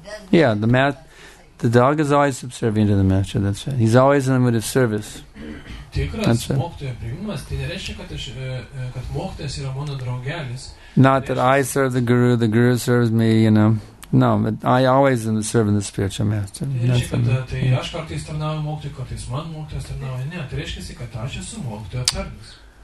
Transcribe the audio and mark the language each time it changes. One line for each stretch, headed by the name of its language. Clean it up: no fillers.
English: Yeah, the dog is always subservient to the master, that's right. He's always in the mood of service.
Lithuanian: Tikras mokytojo priimimas, tai nereiškia, kad mokytojas yra mano draugelis.
English: Not that I serve the guru serves me, you know. No, but I always am serving the spiritual master.
Lithuanian: Tai aš kartais tarnauju mokytojui, kartais man mokytojas tarnauja. Ne, tai reiškia, kad aš esu mokytojo tarnas.